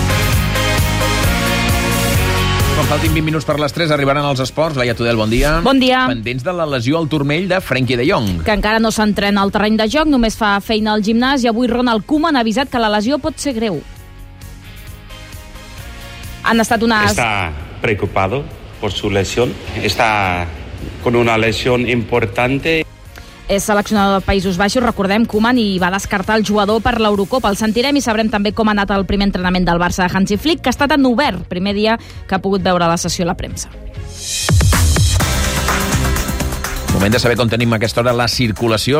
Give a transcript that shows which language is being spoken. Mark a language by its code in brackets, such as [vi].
[ca] Quan faltin 20 minuts per les 3, arribaran els esports. Laia Tudel, bon dia. Bon dia. Pendents de la lesió al turmell de Frenkie de Jong. Que encara no s'entrena al terreny de joc, només fa feina al gimnàs i avui Ronald Koeman ha avisat que la lesió pot ser greu. Han estat unes... [es] Està preocupado por su lesión. Está... con una lesión importante. [ca] És seleccionador de Països Baixos, recordem, Koeman, i va descartar el jugador per l'Eurocopa. El sentirem i sabrem també com ha anat el primer entrenament del Barça de Hansi Flick, que ha estat en obert, primer dia que ha pogut veure la sessió a la premsa. moment de saber com tenim aquesta hora la circulació.